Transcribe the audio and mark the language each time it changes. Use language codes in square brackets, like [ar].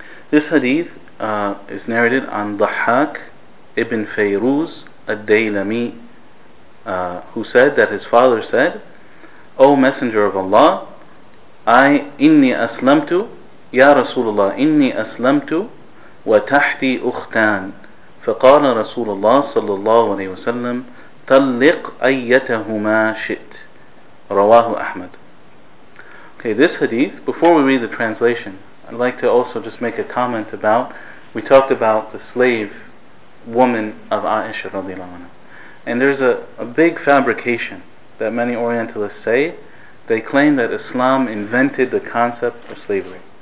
[en] This hadith is narrated on Dhahhak ibn Fayruz al-Daylami, who said that his father said, O Messenger of Allah, [ar] inni aslamtu, ya Rasulullah, inni aslamtu, wa tahti ukhtan. فقال رسول الله صلى الله عليه وسلم طلق أيتهما شئت رواه أحمد. [en] Okay, this hadith, before we read the translation, I'd like to also just make a comment about, we talked about the slave woman of Aisha radiallahu anha, and there's a big fabrication that many Orientalists say. They claim that Islam invented the concept of slavery.